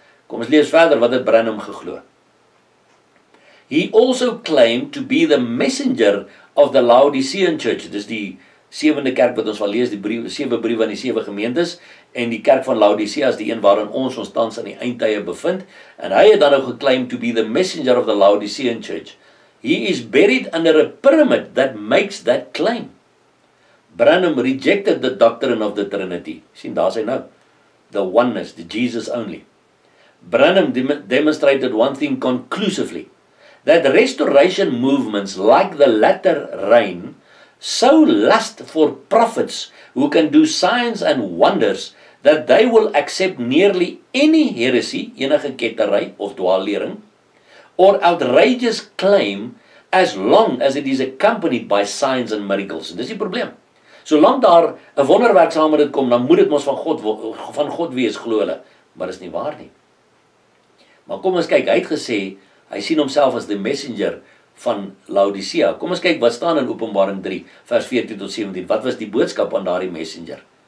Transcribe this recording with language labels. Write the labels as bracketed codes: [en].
[af] Kom ons lees verder wat het Branham geglo. [en] He also claimed to be the messenger of the Laodicean church. [af] Dis die sewende kerk wat ons wel lees, die brief, sewe briewe aan die sewe gemeentes, en die kerk van Laodicea is die een waarin ons tans aan die eindtye bevind, en hy het dan ook geclaimed [en] to be the messenger of the Laodicean church. He is buried under a pyramid that makes that claim. Branham rejected the doctrine of the Trinity. [af] Sien, daar sê nou, [en] the oneness, the Jesus only. Branham demonstrated one thing conclusively, that restoration movements like the latter rain so lust for prophets who can do signs and wonders that they will accept nearly any heresy, [af] enige kettery of dwaallering, [en] or outrageous claim as long as it is accompanied by signs and miracles. [af] Dis die probleem. Solank daar 'n wonderwerk saam met dit kom, dan moet dit mos van God wees, glo hulle, maar dis nie waar nie. Maar kom ons kyk, hy het gesê, hy sien homself as die messenger van Laodicea. Kom ons kyk wat staan in Openbaring 3 vers 14 tot 17. Wat was die boodskap aan daardie messenger?